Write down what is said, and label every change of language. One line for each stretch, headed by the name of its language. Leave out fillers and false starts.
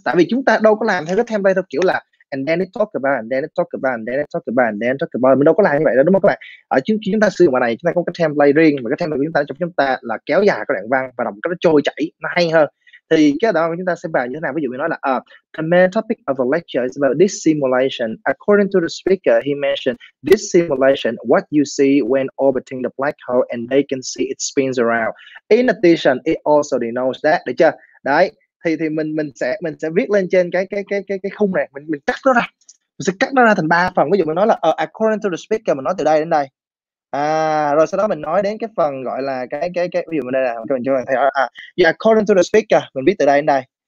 Vietnamese: Tại vì chúng ta đâu có làm theo cái template theo kiểu là
English: and then talk about
Vietnamese: and then talk about and then talk about and then talk about, mình đâu có làm như vậy đâu, đúng không các bạn? Ở chúng ta sử dụng bài này, chúng ta có cái template riêng, mà cái template của chúng ta cho chúng ta là kéo dài cái đoạn văn và làm cái nó trôi chảy nó hay hơn. Thì cái đó chúng ta sẽ bàn như thế nào? Ví dụ mình nói là
English: the main topic of the lecture is about this simulation. According to the speaker, he mentioned this simulation, what you see when orbiting the black hole and they can see it spins around. In addition, it also denotes that.
Vietnamese: Được chưa? Đấy. Thì mình sẽ viết lên trên cái khung này. Mình cắt nó ra. Mình sẽ cắt nó ra thành ba phần. Ví dụ mình nói là
English: according to the speaker,
Vietnamese: mình nói từ đây đến đây. À, rồi sau đó mình nói đến cái phần gọi là cái ví dụ mình đây là các bạn cho mình thấy
English: according to the speaker,
Vietnamese: mình viết từ đây đến đây.